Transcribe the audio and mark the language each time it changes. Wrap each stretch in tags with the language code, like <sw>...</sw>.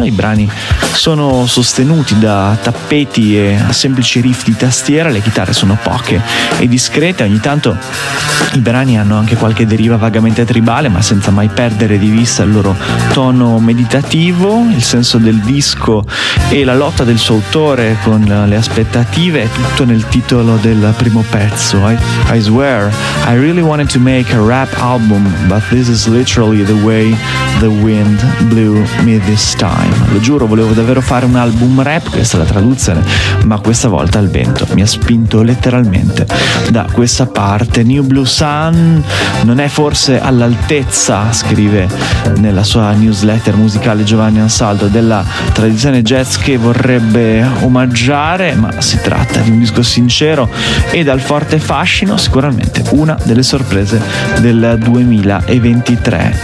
<it>I brani sono sostenuti da tappeti e semplici riff di tastiera, le chitarre sono poche e discrete, ogni tanto i brani hanno anche qualche deriva vagamente tribale, ma senza mai perdere di vista il loro tono meditativo. Il senso del disco e la lotta del suo autore con le aspettative è tutto nel titolo del primo pezzo, I Swear.</it> <en>I really wanted to make a rap album, but this is literally the way the wind blew me this time.</en> <it>Lo giuro, volevo davvero fare un album rap, questa è la traduzione, ma questa volta il vento mi ha spinto letteralmente da questa parte. New Blue Sun non è forse all'altezza, scrive nella sua newsletter musicale Giovanni Ansaldo, della tradizione jazz che vorrebbe omaggiare, ma si tratta di un disco sincero e dal forte fascino, sicuramente una delle sorprese del 2023.</it>